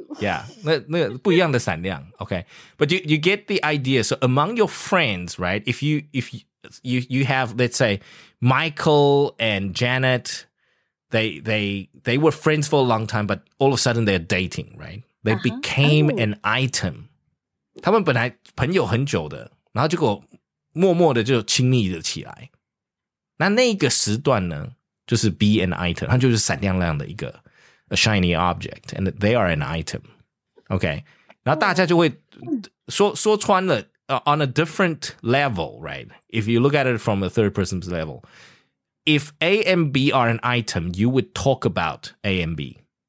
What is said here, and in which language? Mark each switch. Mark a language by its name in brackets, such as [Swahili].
[Chinese] Yeah, 那不一样的闪亮 okay. [English] But you get the idea So among your friends, right If you have, let's say Michael and Janet They were friends for a long time But all of a sudden they're dating, rightThey became an item. [Chinese] 他们本来朋友很久的，然后结果默默的就亲密了起来。那个时段呢，就是 [English] be an item， [Chinese] 它就是闪亮亮的一个 [English] a shiny object, and they are an item. Okay. [Chinese] 那大家就会说穿了, [English] on a different level, right? If you look at it from a third person's level, if A and B are an item, you would talk about A and B.